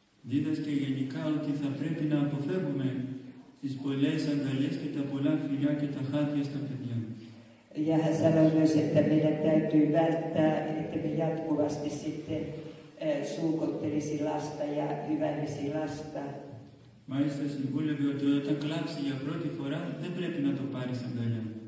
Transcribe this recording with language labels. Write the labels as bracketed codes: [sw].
[el] Δίδασκε γενικά ότι θα πρέπει να αποφεύγουμε τις πολλές αγκαλιές και τα πολλά φιλιά και τα χάδια στα παιδιά. [fi] Ja hän sanoi myös, että meidän täytyy välttää, että me jatkuvasti sitten suukottelisi lasta ja hyvällisi lasta. [el] Μάλιστα συμβούλευε ότι όταν κλάψει για πρώτη φορά δεν πρέπει να το πάρει σαν αγκαλιά.